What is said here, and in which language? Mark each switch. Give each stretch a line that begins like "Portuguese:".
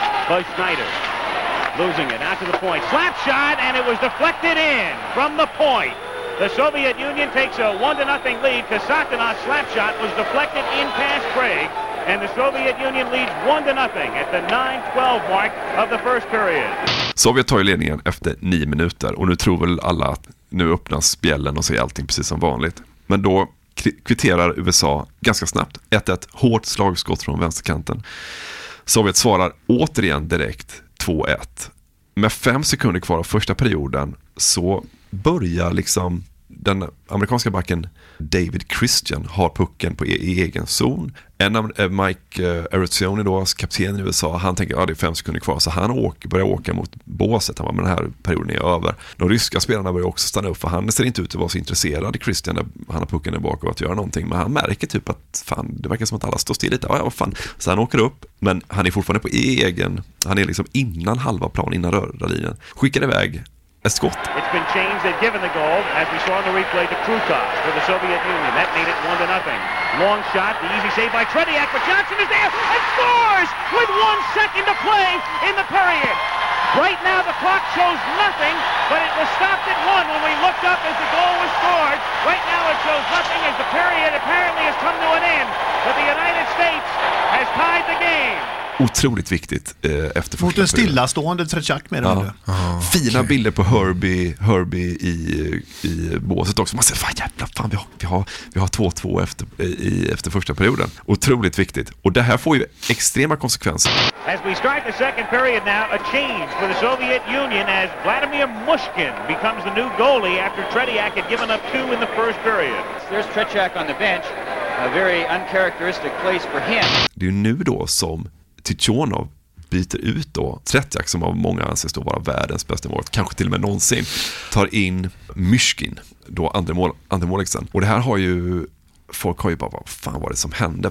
English: Buzz Schneider losing it out to the point. Slap shot, and it was deflected in from the point. The Soviet Union takes a 1-0 lead. Kasatkina's slap shot was deflected in past Craig, and the Soviet Union leads 1-0 at the 9-12 mark of the first period.
Swedish: Sovjet tar ju ledningen efter 9 minuter, och nu tror väl alla att nu öppnas spjällen och ser allting precis som vanligt. Men då kvitterar USA ganska snabbt. 1-1, hårt slagskott från vänsterkanten. Sovjet svarar återigen direkt 2-1. Med 5 sekunder kvar av första perioden så börjar liksom den amerikanska backen David Christian har pucken på egen zon. En av Mike Arizoni då, kaptenen i USA, han tänker att det är 5 sekunder kvar, så han börjar åka mot båset. Han bara, men den här perioden är över. De ryska spelarna börjar också stanna upp, för han ser inte ut att vara så intresserad. Christian, när han har pucken där bak och att göra någonting, men han märker typ att fan, det verkar som att alla står still lite. Ja, fan. Så han åker upp, men han är fortfarande på egen, han är liksom innan halva plan, innan röda linjen. Skickar iväg.
English: It's been changed. They've given the goal, as we saw in the replay, to Krutov for the Soviet Union. That made it 1-0. Long shot, the easy save by Tretiak, but Johnson is there and scores with 1 second to play in the period. Right now, the clock shows nothing, but it was stopped at 1 when we looked up as the goal was scored. Right now, it shows nothing as the period apparently has come to an end, but the United States has tied the game.
Swedish: Otroligt viktigt efter mot en stillastående Tretiak med det. Fina okay. Bilder på Herbie i båset också. Man säger fan, jävla fan, vi har 2-2 efter första perioden. Otroligt viktigt, och det här får ju extrema konsekvenser.
English: As we start the second period now, a change for the Soviet Union as Vladimir Mushkin becomes the new goalie after Tretiak had given up 2 in the first period. There's Tretiak on the bench, a very uncharacteristic place for him.
Swedish: Det är nu då som Tichonov byter ut då Tretiak, som av många anses då vara världens bästa mål, kanske till och med någonsin, tar in Mushkin då, andremålisten. Och det här har ju folk har ju bara, vad fan var det som hände?